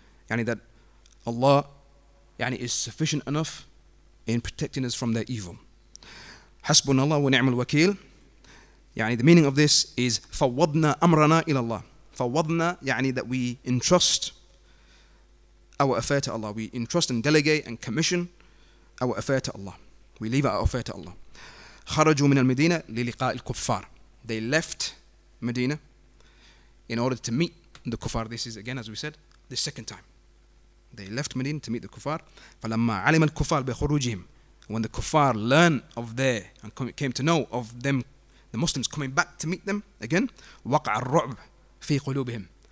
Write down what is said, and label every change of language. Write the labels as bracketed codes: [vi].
[en] يعني that Allah يعني is sufficient enough in protecting us from their evil. [ar] حسبنا الله ونعم الوكيل. يعني [en] the meaning of this is [ar] فوضنا أمرنا إلى الله. [en] فوضنا يعني that we entrust our affair to Allah. We entrust and delegate and commission our affair to Allah. We leave our affair to Allah. [ar] خرجوا من المدينة للقاء الكفار. [en] They left Medina in order to meet the kuffar. This is again, as we said, the second time. They left Medina to meet the kuffar. [ar] فَلَمَّا عَلِمَ الْكُفَّارُ بِخُرُوجِهِمْ. [en] When the kuffar learned of their, and came to know of them, the Muslims coming back to meet them again, [ar] وَقْعَ الرُّعْبُ فِي قُلُوبِهِمْ.